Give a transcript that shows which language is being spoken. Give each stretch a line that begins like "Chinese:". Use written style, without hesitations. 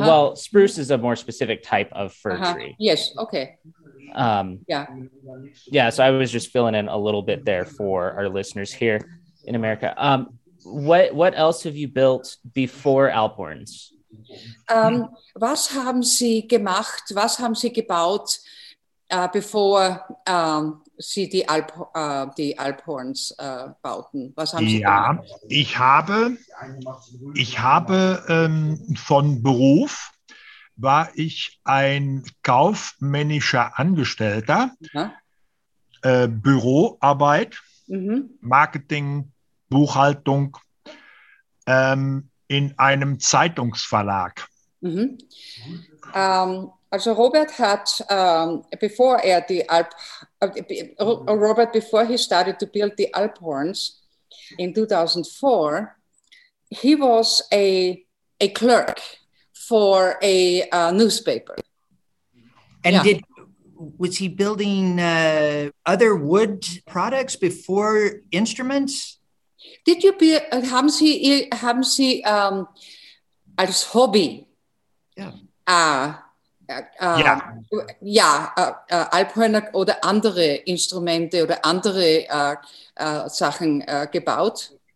English: Well, spruce is a more specific type of fir tree. Yes, okay. So I was just filling in a little bit there for our listeners here in America. What else have you built before Alphorns?
German: Was haben Sie gemacht? Was haben Sie gebaut? Bevor Sie die Alphorns bauten, was haben Sie? Ja, gemacht? Ich habe von Beruf war ich ein kaufmännischer Angestellter, Büroarbeit, Marketing, Buchhaltung in einem Zeitungsverlag. Mhm. Also Robert hat,
English: before
German: er die
English: Robert, before he started to build the Alphorns in 2004, he was a clerk for a newspaper. And was he building other wood products before instruments? Did you build,
German: haben Sie als Hobby?
English: Yeah.
German: Alphörner oder andere Instrumente oder andere Sachen gebaut?